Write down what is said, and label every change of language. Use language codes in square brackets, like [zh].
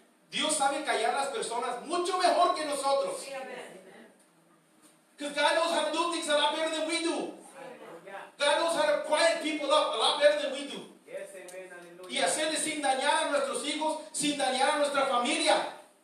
[es] Dios sabe callar a las personas mucho mejor que nosotros. [en] Because God knows how to do things a lot better than we do. God knows how to quiet people up a lot better than we do. [es] Y hacerle sin dañar a nuestros hijos, sin dañar a nuestra familia.